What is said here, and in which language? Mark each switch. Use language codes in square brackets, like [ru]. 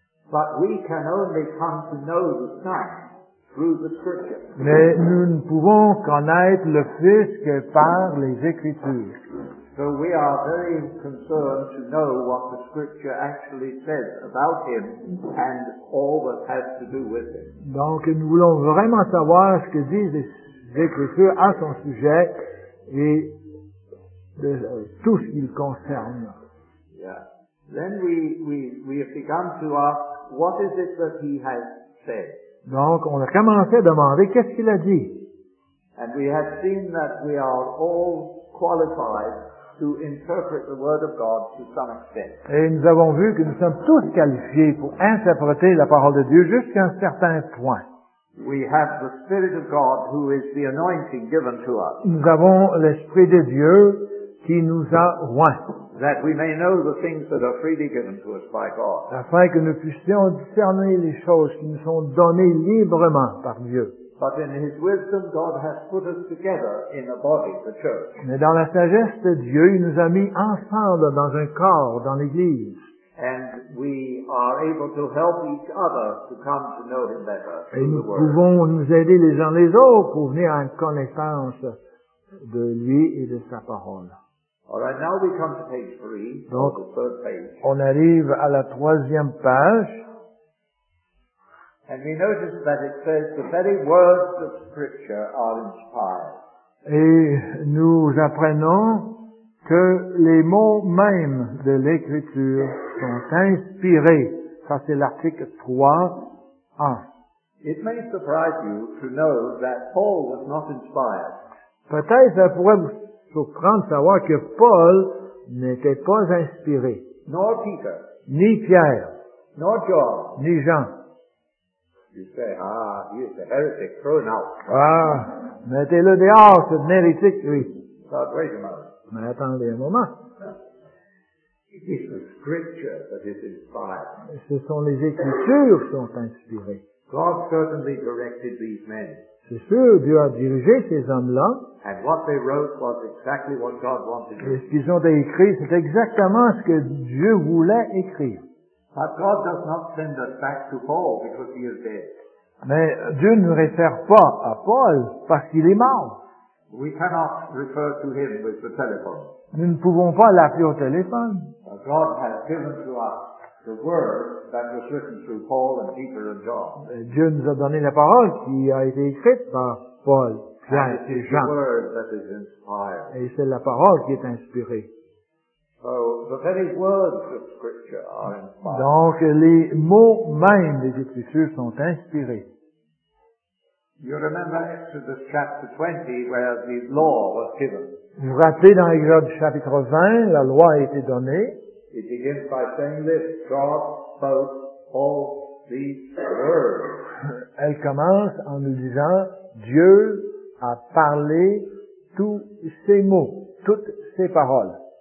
[en] But we can only come to know the Son through the Scripture. [fr] Mais nous ne pouvons connaître le Fils que par les Écritures. [en] So we are very concerned to know what the Scripture actually says about Him and all that has to do with Him. [fr] Donc nous voulons vraiment savoir ce que disent les Écritures à son sujet et de tout ce qu'il concerne. [en] Yeah. Then we have begun to ask, what is it that He has said? [fr] Donc, on a commencé à demander, qu'est-ce qu'il a dit? [en] And we have seen that we are all qualified to interpret the Word of God to some extent. [fr] Et nous avons vu que nous sommes tous qualifiés pour interpréter la parole de Dieu jusqu'à un certain point. [en] We have the Spirit of God who is the anointing given to us. [fr] Nous avons l'Esprit de Dieu qui nous a oint. [en] That we may know the things that are freely given to us by God. [fr] Afin que nous puissions discerner les choses qui nous sont données librement par Dieu. [en] But in His wisdom, God has put us together in a body, the church. [fr] Mais dans la sagesse de Dieu, il nous a mis ensemble dans un corps, dans l'Église. [en] And we are able to help each other to come to know Him better. [fr] Et nous pouvons nous aider les uns les autres pour venir en connaissance de Lui et de Sa parole. [en] All right, now we come to page 3. [fr] Donc, [en] the third page. [fr] On arrive à la troisième page. [en] And we notice that it says the very words of Scripture are inspired. [fr] Et nous apprenons que les mots même de l'Écriture sont inspirés. Ça, c'est l'article 3.1. [en] It may surprise you to know that Paul was not inspired. [fr] Peut-être ça pourrait vous surprendre de savoir que Paul n'était pas inspiré. [en] Nor Peter. [fr] Ni Pierre. [en] Nor John. [fr] Ni Jean. [en] You say, ah, he is a heretic thrown out. [fr] Ah, mettez-le dehors, c'est un hérétique, lui. [en] But wait a moment. [fr] Mais attendez un moment. [en] It is the Scripture that is inspired. [fr] Ce sont les Écritures qui sont inspirées. [en] God certainly directed these men. [fr] C'est sûr, Dieu a dirigé ces hommes-là. [en] And what they wrote was exactly what God wanted. [fr] Et ce qu'ils ont écrit, c'est exactement ce que Dieu voulait écrire. [en] But God does not send us back to Paul because he is dead. [fr] Mais Dieu ne réfère pas à Paul parce qu'il est mort. [en] We cannot refer to him with the telephone. [fr] Nous ne pouvons pas l'appeler au téléphone. [en] God has given to us the word that was written through Paul and Peter and John. [fr] Dieu nous a donné la parole qui a été écrite par Paul, Pierre et Jean. [en] And it is the word that is inspired. [fr] Et c'est la parole qui est inspirée. [en] So the very words of Scripture are inspired. [fr] Donc les mots même des Écritures sont inspirés. [en] You remember Exodus chapter 20 where the law was given. [fr] Vous vous rappelez dans Exode chapitre 20, la loi a été donnée. [en] It begins by saying this, God spoke all these words. [fr] Elle commence en nous disant, Dieu a parlé tous ces mots, toutes ces paroles.